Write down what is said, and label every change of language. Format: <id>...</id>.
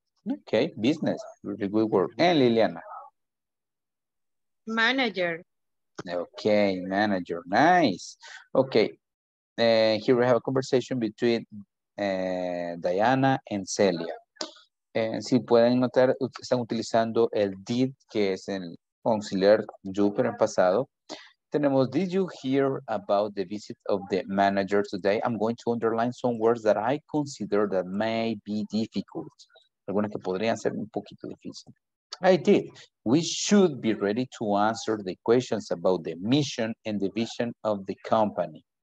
<en>Okay, business. Really good work. And Liliana. Manager. Okay, manager. Nice. Okay. Here we have a conversation between Diana and Celia.</en> <es>Si pueden notar, están utilizando el did, que es el auxiliar do, pero en pasado. Tenemos,</es> <en>did you hear about the visit of the manager today? I'm going to underline some words that I consider that may be difficult.</en> <es>Algunas que podrían ser un poquito difícil.</es> <en>I did. We should be ready to answer the questions about the mission and the vision of the company.</en>